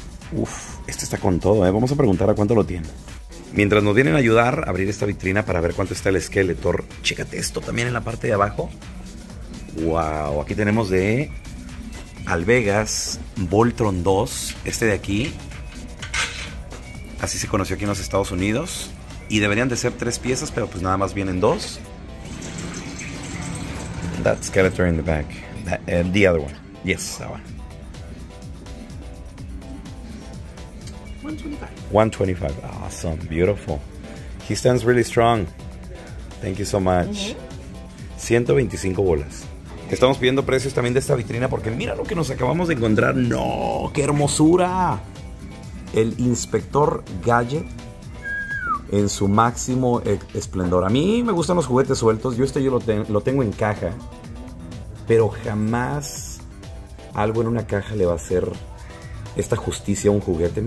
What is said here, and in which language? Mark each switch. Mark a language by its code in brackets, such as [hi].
[es] Uf, este está con todo, ¿eh? Vamos a preguntar a cuánto lo tiene. Mientras nos vienen a ayudar a abrir esta vitrina para ver cuánto está el Skeletor, chécate esto también en la parte de abajo. Wow, aquí tenemos de Alvegas Voltron 2. Este de aquí, así se conoció aquí en los Estados Unidos. Y deberían de ser tres piezas, pero pues nada más vienen dos. [en] That Skeletor in the back. The other one. Yes, that one. 125. Awesome. Beautiful. He stands really strong. Thank you so much. Mm-hmm. [es] 125 bolas. Estamos pidiendo precios también de esta vitrina porque mira lo que nos acabamos de encontrar. ¡No! ¡Qué hermosura! El Inspector Gadget en su máximo esplendor. A mí me gustan los juguetes sueltos. Yo lo tengo en caja. Pero jamás algo en una caja le va a hacer esta justicia a un juguete.